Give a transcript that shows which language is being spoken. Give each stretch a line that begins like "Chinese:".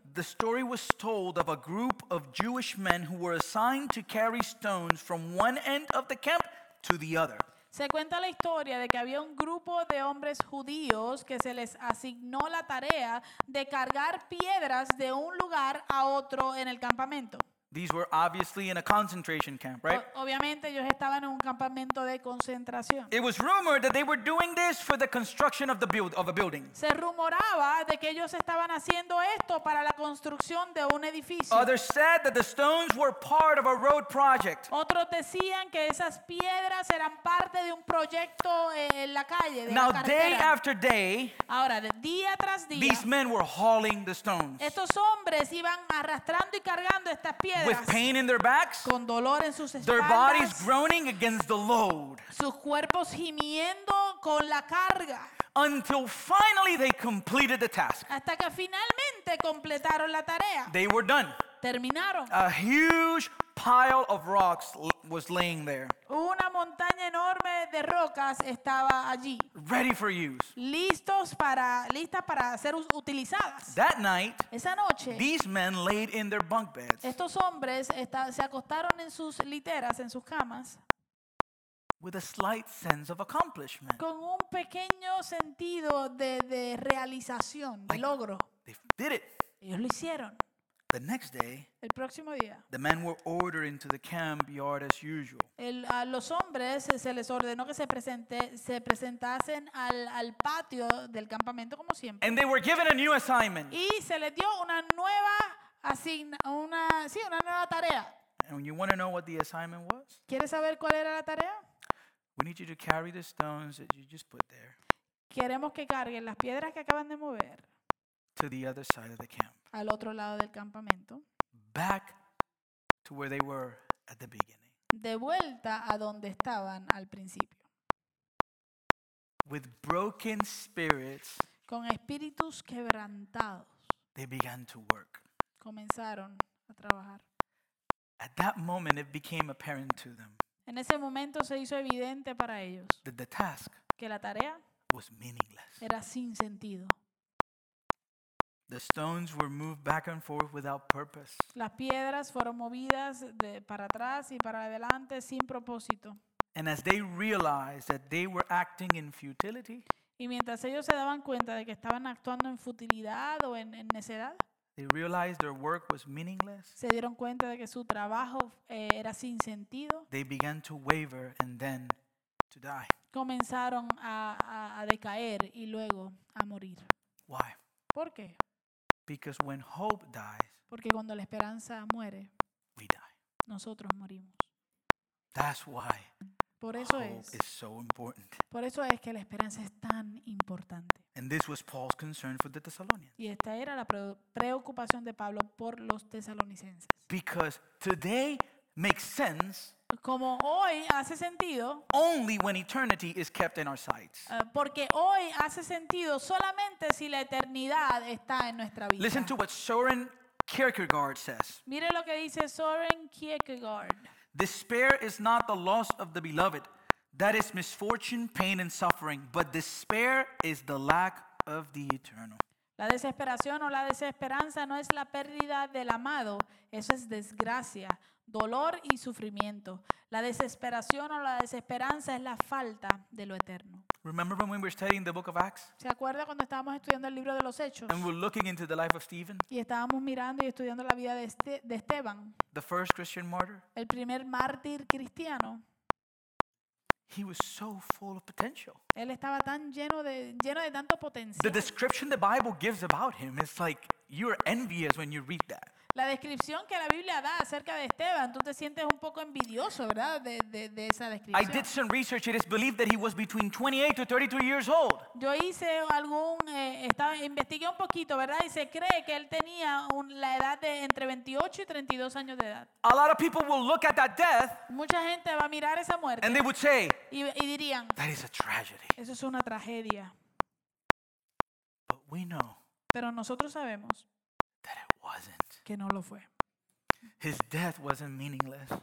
English: the story was told of a group of Jewish men who were assigned to carry stones from one end of the camp to the other.
Spanish: Se cuenta la historia de que había un grupo de hombres judíos que se les asignó la tarea de cargar piedras de un lugar a otro en el campamento.
English: These were obviously in a concentration camp, right?
Spanish: Obviamente ellos estaban en un campamento de concentración.
English: It was rumored that they were doing this for the construction of the build of a building.
Spanish: Se rumoraba de que ellos estaban haciendo esto para la construcción de un edificio.
English: Others said that the stones were part of a road project.
Spanish: Otros decían que esas piedras eran parte de un proyecto en la calle, de
English: Now,
Spanish: la
English: day after day,
Spanish: ahora día tras día,
English: these men were hauling the stones.
Spanish: Estos hombres iban arrastrando y cargando estas piedras.
English: With pain in their backs,
Spanish: con dolor en sus espaldas,
English: their bodies groaning against the load,
Spanish: sus cuerpos gimiendo con la carga,
English: until finally they completed the task.
Spanish: Hasta que finalmente completaron la tarea.
English: They were done.
Spanish: Terminaron.
English: A huge pile of rocks was laying there.
Spanish: Una montaña enorme de rocas estaba allí.
English: Ready for use.
Spanish: Listas para ser utilizadas.
English: That night,
Spanish: esa noche,
English: these men laid in their bunk beds.
Spanish: Estos hombres se acostaron en sus literas, en sus camas.
English: With a slight sense of accomplishment.
Spanish: Con un pequeño sentido de realización, de logro.
English: They did it.
Spanish: Ellos lo hicieron.
English: The next day,
Spanish: el próximo día,
English: the men were ordered into the camp yard as usual.
Spanish: A los hombres se les ordenó que se presentasen al patio del campamento como siempre.
English: And they were given a new assignment.
Spanish: Y se les dio una nueva tarea.
English: And you want to know what the assignment was?
Spanish: ¿Quieres saber cuál era la tarea?
English: We need you to carry the stones that you just put there.
Spanish: Queremos que carguen las piedras que acaban de mover.
English: To the other side of the camp.
Spanish: Al otro lado del campamento.
English: Back to where they were at the beginning.
Spanish: De vuelta a donde estaban al principio.
English: With broken spirits,
Spanish: con espíritus quebrantados,
English: they began to work.
Spanish: Comenzaron a trabajar.
English: At that moment, it became apparent to them.
Spanish: En ese momento se hizo evidente para ellos
English: that the task,
Spanish: que la tarea,
English: was meaningless.
Spanish: Era sin sentido.
English: The stones were moved back and forth without purpose.
Spanish: Las piedras fueron movidas de para atrás y para adelante sin propósito.
English: And as they realized that they were acting in futility,
Spanish: y mientras ellos se daban cuenta de que estaban actuando en futilidad o en necedad,
English: they realized their work was meaningless.
Spanish: Se dieron cuenta de que su trabajo era sin sentido.
English: They began to waver and then to die.
Spanish: Comenzaron a decaer y luego a morir.
English: Why?
Spanish: ¿Por qué?
English: Because when hope dies,
Spanish: porque cuando la esperanza muere,
English: we die.
Spanish: Nosotros morimos.
English: That's why
Spanish: por eso
English: hope
Spanish: es,
English: is so important.
Spanish: Por eso es que la esperanza es tan importante.
English: And this was Paul's concern for the Thessalonians.
Spanish: Y esta era la preocupación de Pablo por los tesalonicenses.
English: Because today makes sense.
Spanish: Como hoy hace sentido,
English: only when eternity is kept in our sights.
Spanish: Porque hoy hace sentido solamente si la eternidad está en nuestra vida.
English: Listen to what Soren Kierkegaard says.
Spanish: Mire lo que dice Soren Kierkegaard.
English: Despair is not the loss of the beloved. That is misfortune, pain and suffering. But despair is the lack of the eternal.
Spanish: La desesperación o la desesperanza no es la pérdida del amado. Eso es desgracia. Dolor y sufrimiento. La desesperación o la desesperanza es la falta de lo eterno.
English: Remember when we were studying the book of Acts?
Spanish: ¿Se acuerda cuando estábamos estudiando el libro de los Hechos?
English: And we're looking into the life of Stephen.
Spanish: Y estábamos mirando y estudiando la vida de Esteban.
English: The first Christian martyr.
Spanish: El primer mártir cristiano.
English: He was so full of potential.
Spanish: Él estaba tan lleno de tanto potencial.
English: The description the Bible gives about him is like you're envious when you read that.
Spanish: La descripción que la Biblia da acerca de Esteban, tú te sientes un poco envidioso, ¿verdad? De esa descripción.
English: I did some research. It is believed that he was between 28 to 32 years old.
Spanish: Yo hice investigué un poquito, ¿verdad? Y se cree que él tenía la edad de entre 28 y 32 años de edad.
English: A lot of people will look at that death.
Spanish: Mucha gente va a mirar esa muerte.
English: And they would say.
Spanish: Y dirían.
English: That is a tragedy.
Spanish: Eso es una tragedia.
English: But we know.
Spanish: Pero nosotros sabemos.
English: That it wasn't.
Spanish: Que no lo fue.
English: His death wasn't meaningless.